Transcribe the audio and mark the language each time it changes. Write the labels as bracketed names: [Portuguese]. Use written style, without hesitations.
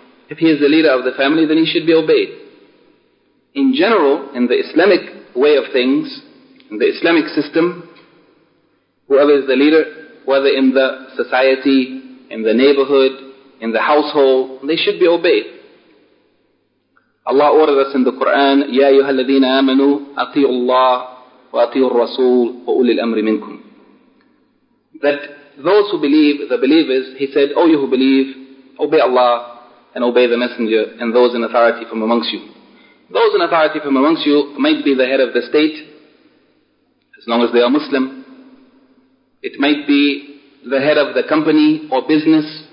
[English] If he is the leader of the family, then he should be obeyed. In general, in the Islamic way of things, in the Islamic system, whoever is the leader, whether in the society, in the neighborhood, in the household, they should be obeyed. Allah orders us in the Quran, [Arabic] يَا أَيُّهَا الَّذِينَ آمَنُوا أَطِيعُوا اللَّهَ وَأَطِيعُوا الرَّسُولَ وَأُولِي الْأَمْرِ مِنْكُمْ. [English] That those who believe, the believers, he said, O you who believe, obey Allah and obey the Messenger and those in authority from amongst you. Those in authority from amongst you might be the head of the state, as long as they are Muslim. It might be the head of the company or business.